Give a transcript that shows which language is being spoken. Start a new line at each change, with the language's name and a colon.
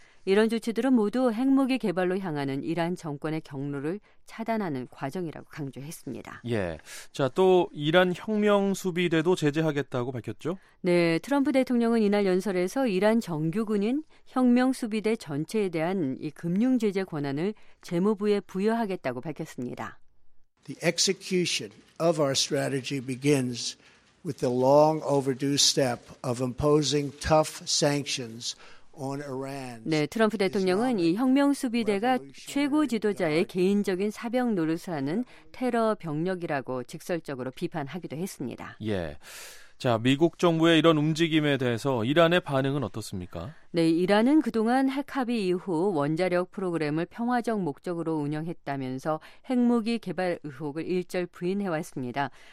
Korean: 이런 조치들은 모두 핵무기 개발로 향하는 이란 정권의 경로를 차단하는 과정이라고 강조했습니다. 예. 자, 또 이란 혁명수비대도 제재하겠다고 밝혔죠? 네, 트럼프 대통령은 이날 연설에서 이란 정규군인 혁명수비대 전체에 대한 이 금융 제재 권한을 재무부에 부여하겠다고 밝혔습니다.
English: The execution of our strategy begins with the long overdue step of imposing tough sanctions.
Korean: 네, 트럼프 대통령은 이 혁명수비대가 최고 지도자의 개인적인 사병 노릇을 하는 테러 병력이라고 직설적으로 비판하기도 했습니다. 예. 자, 미국 정부의 이런 움직임에 대해서 이란의 반응은 어떻습니까? 네, 이란은 그동안 핵 합의 이후 원자력 프로그램을 평화적 목적으로 운영했다면서 핵무기 개발 의혹을 일절 부인해왔습니다.